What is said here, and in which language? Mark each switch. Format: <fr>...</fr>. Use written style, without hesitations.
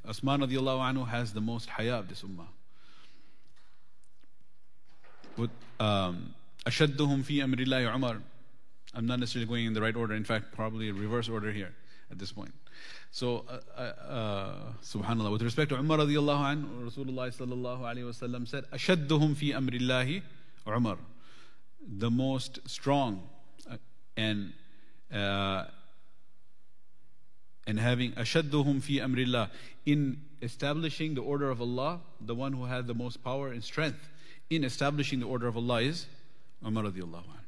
<en>Uthman radiallahu anhu has the most haya of this Ummah. With</en> <ar>أشدهم في أمر الله عمر.</ar> <en>I'm not necessarily going in the right order. In fact, probably a reverse order here at this point. So, subhanAllah, with respect to Umar radiallahu anhu, Rasulullah sallallahu alayhi wa sallam said,</en> <ar>أَشَدُّهُمْ فِي أَمْرِ اللَّهِ</ar> <en>Umar, the most strong and having أَشَدُّهُمْ فِي أَمْرِ اللَّهِ in establishing the order of Allah, the one who had the most power and strength in establishing the order of Allah is Umar radiallahu anhu.</en>